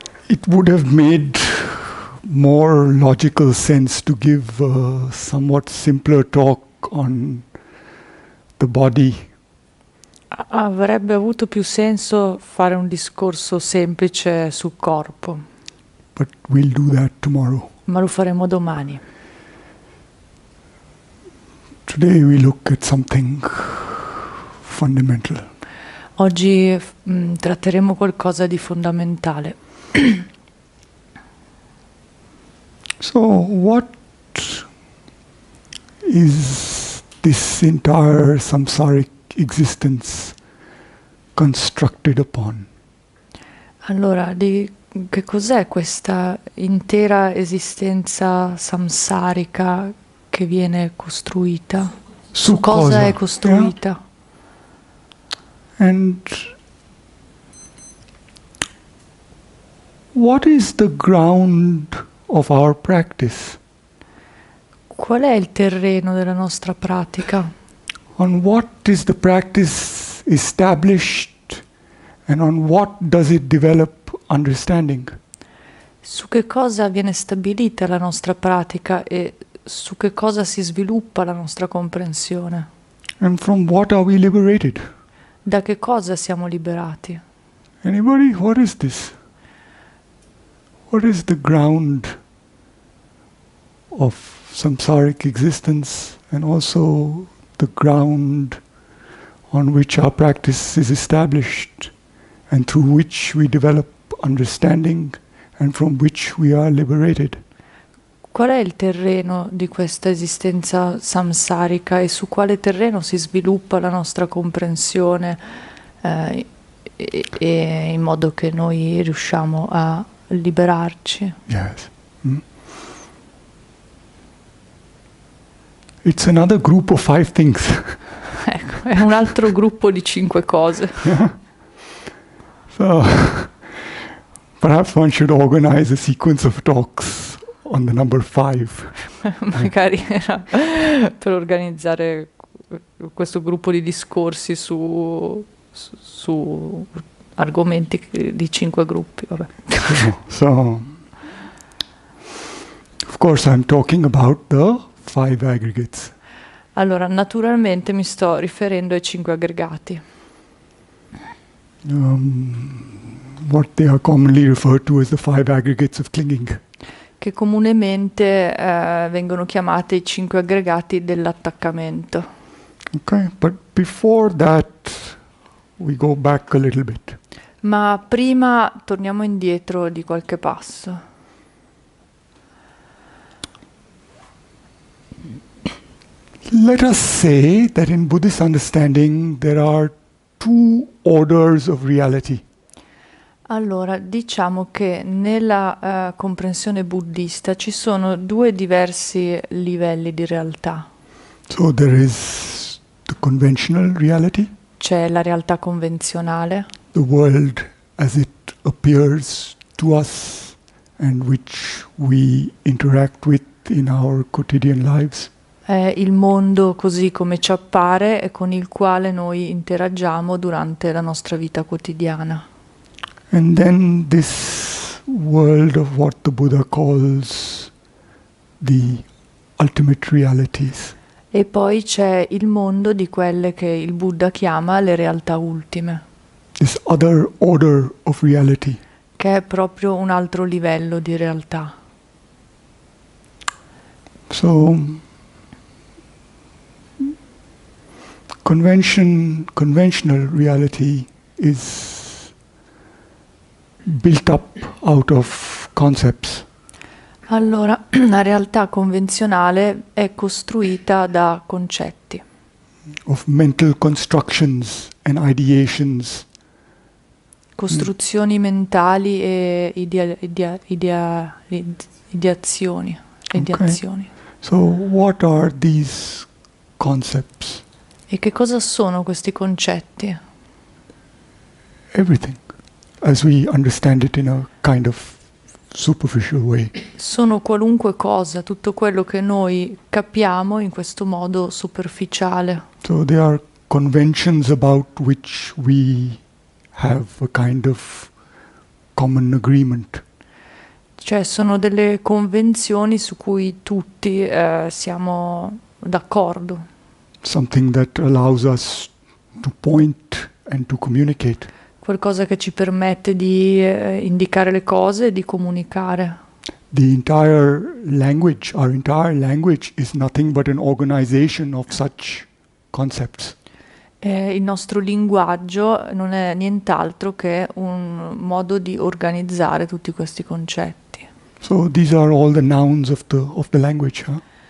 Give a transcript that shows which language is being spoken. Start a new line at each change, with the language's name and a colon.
English: It would have made more logical sense to give a somewhat simpler talk on the body.
Italian: Avrebbe avuto più senso fare un discorso semplice sul corpo.
English: But we'll do that tomorrow.
Italian: Ma lo faremo domani.
English: Today we look at something fundamental.
Italian: Oggi tratteremo qualcosa di fondamentale.
English: So what is this entire samsaric existence constructed upon?
Italian: Allora, di che cos'è questa intera esistenza samsarica che viene costruita? Su cosa è costruita?
English: Yeah. And what is the ground of our practice?
Italian: Qual è il terreno della nostra pratica?
English: On what is the practice established and on what does it develop understanding?
Italian: Su che cosa viene stabilita la nostra pratica e su che cosa si sviluppa la nostra comprensione?
English: And from what are we liberated?
Italian: Da che cosa siamo liberati?
English: Anybody, what is this? What is the ground of samsaric existence and also the ground on which our practice is established and through which we develop understanding and from which we are liberated?
Italian: Qual è il terreno di questa esistenza samsarica e su quale terreno si sviluppa la nostra comprensione in modo che noi riusciamo a liberarci?
English: Yes. It's another group of five things.
Italian: Ecco, è un altro gruppo di cinque cose.
English: Yeah. So, perhaps one should organize a sequence of talks on the number five.
Italian: Magari era per organizzare questo gruppo di discorsi su argomenti di cinque gruppi, vabbè.
English: So, of course I'm talking about the five aggregates.
Italian: Allora, naturalmente mi sto riferendo ai cinque aggregati.
English: What they are commonly referred to as the five aggregates of clinging.
Italian: Che comunemente vengono chiamate i cinque aggregati dell'attaccamento.
English: Okay, but before that we go back a little bit.
Italian: Ma prima torniamo indietro di qualche passo.
English: Let us say that in Buddhist understanding there are two orders of reality.
Italian: Allora, diciamo che nella comprensione buddista ci sono due diversi livelli di realtà.
English: So there is the conventional reality.
Italian: C'è la realtà convenzionale.
English: The world as it appears to us and which we interact with in our quotidian lives.
Italian: È il mondo così come ci appare e con il quale noi interagiamo durante la nostra vita quotidiana.
English: And then this world of what the Buddha calls the ultimate realities.
Italian: E poi c'è il mondo di quelle che il Buddha chiama le realtà ultime.
English: This other order of reality.
Italian: Che è proprio un altro livello di realtà.
English: So, conventional reality is built up out of concepts.
Italian: Allora, la realtà convenzionale è costruita da concetti.
English: Of mental constructions and ideations.
Italian: Costruzioni mentali e ideazioni. Ideazioni.
English: Okay. So, what are these concepts?
Italian: E che cosa sono questi concetti?
English: Everything. As we understand it in a kind of superficial way.
Italian: Sono qualunque cosa, tutto quello che noi capiamo in questo modo superficiale.
English: So there are conventions about which we have a kind of common agreement.
Italian: Cioè, sono delle convenzioni su cui tutti siamo d'accordo.
English: Something that allows us to point and to communicate.
Italian: Qualcosa che ci permette di indicare le cose e di comunicare.
English: Our entire language is nothing but an organization of such concepts.
Italian: Il nostro linguaggio non è nient'altro che un modo di organizzare tutti questi concetti.
English: So these are all the nouns of the language, huh?